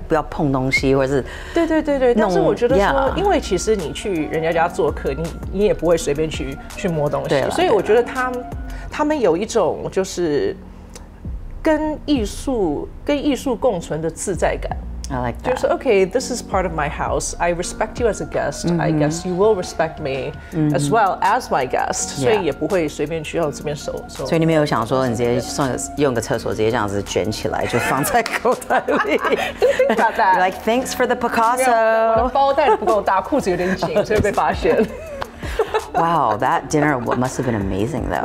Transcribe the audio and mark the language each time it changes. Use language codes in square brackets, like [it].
[zh] 不要碰东西或者是对对对对但是我觉得说、 [en] yeah. [zh] 因为其实你去人家家做客 你也不会随便去摸东西所以我觉得他们有一种就是跟艺术共存的自在感。 [en] I like that. [zh] 就是 [en] okay, this is part of my house. I respect you as a guest.、Mm-hmm. I guess you will respect me、mm-hmm. as well as my guest.、Yeah. [zh] 所以也不会随便去到这边收。所以你没有想说你直接上用个厕所直接这样子卷起来就放在口袋里。 [en] Think about that. You're like thanks for the Picasso. Yeah, [zh] 我的包袋不够大，裤子有点紧，所以被发现。 [en] Wow, that dinner must have been amazing, though.